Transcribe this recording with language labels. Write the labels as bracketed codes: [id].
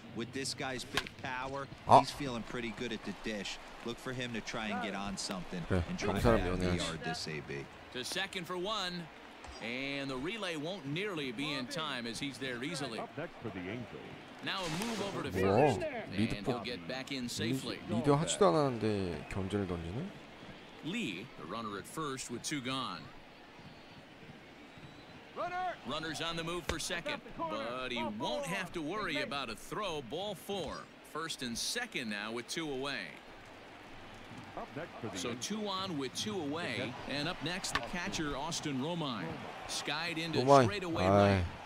[en] With this guy's big power, he's feeling pretty good at the dish. Look for him to try and get on something and try to get the yard this AB. To second for one, and the relay won't nearly be in time as he's there easily. Up next for the Angels. Now a move over to first, and he'll get back in safely. [ko] 리드 하지도 않았는데 견제를 던지네. [en] Lee, the runner at first with two gone. Runner. Runner's on the move for second, but he won't have to worry about a throw. Ball four. First and second now with two away. So two on with two away, and up next the catcher Austin Romine, skied into straightaway lane.